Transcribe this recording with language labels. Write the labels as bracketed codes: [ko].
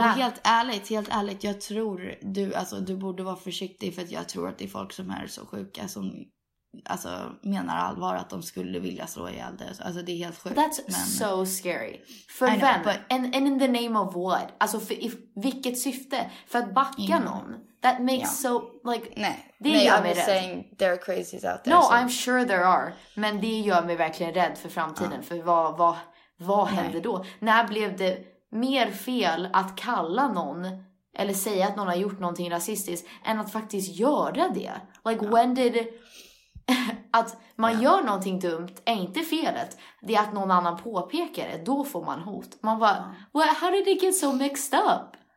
[sv] Nej, och helt ärligt, jag tror du, alltså, du borde vara försiktig, för att jag tror att det är folk som är så sjuka som, alltså, menar allvar att de skulle vilja slå ihjäl det. Alltså det är helt sjukt. [en] That's so scary. [sv] För vem? [en] And in the name of what? [sv] Alltså för vilket syfte? För att backa någon? [en] That makes so, like, [sv] Nej, [en] I'm just saying there are crazies out there. No, so. I'm sure there are. [sv] Men det gör mig verkligen rädd för framtiden. För vad händer då? När blev det mer fel att kalla någon eller säga att någon har gjort någonting rasistiskt än att faktiskt göra det? [en] Like, when did... [sv] att man gör någonting dumt är inte felet, det är att någon annan påpekar det, då får man hot. Man bara, [en] how did it get so mixed up?